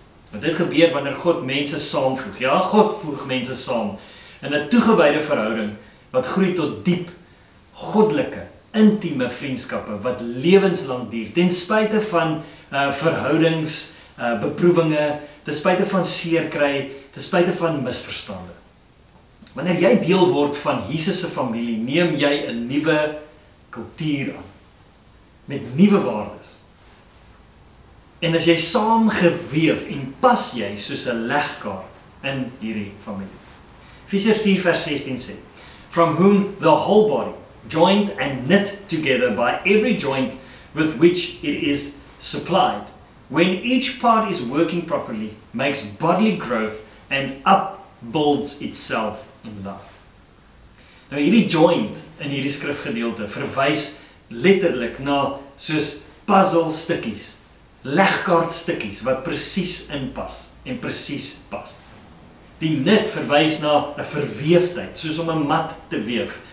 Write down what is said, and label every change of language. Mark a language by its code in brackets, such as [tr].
[af] Want dit gebeur wanneer God mense saamvoeg. Ja, God voeg mense saam in 'n toegewyde verhouding wat groei tot diep, goddelike, intieme vriendskappe wat lewenslang duur, ten spyte van verhoudings, beproewinge, ten spyte van seerkry, ten spyte van misverstande. Wanneer jy deel word van Jesus se familie, neem jy 'n nuwe kultuur aan met nuwe waardes. En as jy saamgeweef en pas jy soos 'n legkaart in hierdie familie. Efesiërs 4 vers 16 sê: [en] From whom the whole body, joined and knit together by every joint with which it is supplied, when each part is working properly, makes bodily growth and upbuilds itself in love. [af] Nou hierdie joint in hierdie skrifgedeelte verwys letterlik na soos puzzelstukkies, legkaartstukkies wat presies inpas en presies pas. Die knit verwys na 'n verweefdheid, soos om 'n mat te weef.